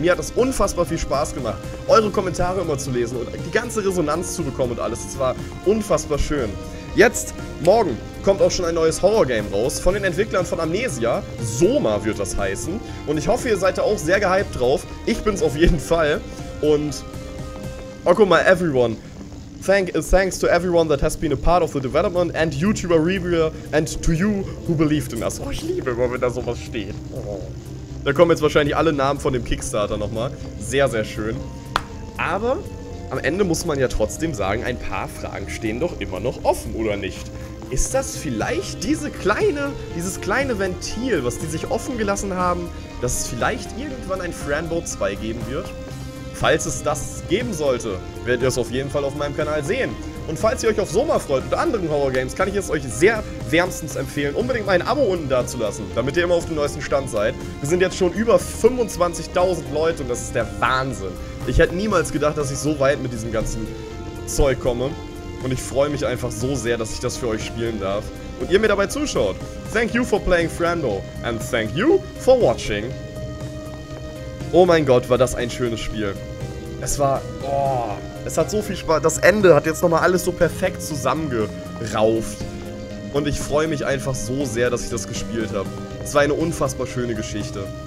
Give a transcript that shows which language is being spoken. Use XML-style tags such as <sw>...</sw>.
<de>Mir hat es unfassbar viel Spaß gemacht, eure Kommentare immer zu lesen und die ganze Resonanz zu bekommen und alles. Es war unfassbar schön. Jetzt, morgen, kommt auch schon ein neues Horror-Game raus von den Entwicklern von Amnesia. Soma wird das heißen. Und ich hoffe, ihr seid da auch sehr gehypt drauf. Ich bin's auf jeden Fall. Und, oh, guck mal, everyone.</de> <en>Thanks to everyone that has been a part of the development and YouTuber reviewer and to you who believed in us.</en> <de>Oh, ich liebe immer, wenn da sowas steht. Oh. Da kommen jetzt wahrscheinlich alle Namen von dem Kickstarter nochmal. Sehr, sehr schön. Aber am Ende muss man ja trotzdem sagen, ein paar Fragen stehen doch immer noch offen, oder nicht? Ist das vielleicht dieses kleine Ventil, was die sich offen gelassen haben, dass es vielleicht irgendwann ein Franbo 2 geben wird? Falls es das geben sollte, werdet ihr es auf jeden Fall auf meinem Kanal sehen. Und falls ihr euch auf Soma freut und anderen Horror-Games, kann ich es euch sehr wärmstens empfehlen, unbedingt mal ein Abo unten dazulassen, damit ihr immer auf dem neuesten Stand seid. Wir sind jetzt schon über 25.000 Leute und das ist der Wahnsinn. Ich hätte niemals gedacht, dass ich so weit mit diesem ganzen Zeug komme. Und ich freue mich einfach so sehr, dass ich das für euch spielen darf und ihr mir dabei zuschaut.</de> <en>Thank you for playing Frando and thank you for watching.</en> <de>Oh mein Gott, war das ein schönes Spiel. Es war, oh, es hat so viel Spaß. Das Ende hat jetzt nochmal alles so perfekt zusammengerauft. Und ich freue mich einfach so sehr, dass ich das gespielt habe. Es war eine unfassbar schöne Geschichte.</de>